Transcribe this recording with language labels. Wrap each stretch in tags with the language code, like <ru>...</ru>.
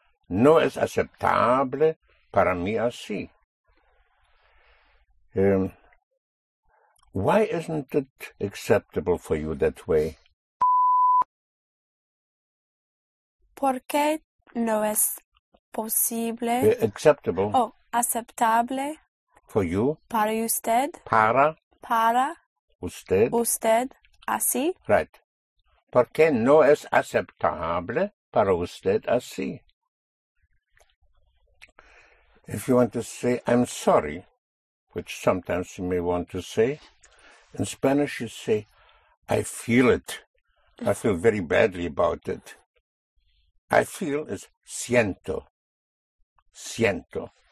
<es>No es aceptable para mí así.</es> <en>Why isn't it acceptable for you that way?</en> <es>¿Por qué no es posible?</es> <en>Acceptable.</en> <es>Oh, aceptable.</es> <en>For you.</en> <es>Para usted. Para. Para. Usted. Usted. Así.</es> <en>Right.</en> <es>¿Por qué no es aceptable para usted así?</es> <en>If you want to say, I'm sorry, which sometimes you may want to say, in Spanish you say, I feel it. I feel very badly about it. I feel is siento. Siento.</en>